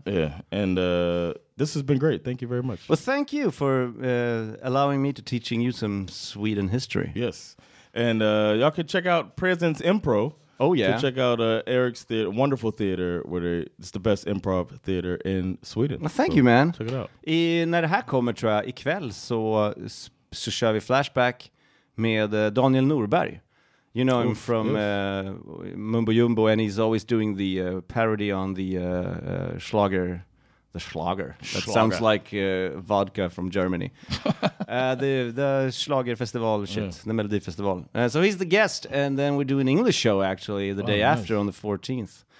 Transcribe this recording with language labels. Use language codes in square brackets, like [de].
[en] Yeah, and this has been great. Thank you very much. Well, thank you for allowing me to teaching you some Sweden history. Yes, and y'all can check out Presence Improv. Oh, yeah. To check out Eric's theater, wonderful theater, where it's the best improv theater in Sweden. Well, thank you, man. Check it out. [sv] När det här kommer, tror jag, ikväll så kör vi Flashback med Daniel Norberg. [en] You know him from Mumbo Jumbo, and he's always doing the parody on the Schlager. The Schlager. That sounds like vodka from Germany. the Schlager Festival shit. Yeah. The Melody Festival. So he's the guest, and then we do an English show, actually, the day after, on the 14th.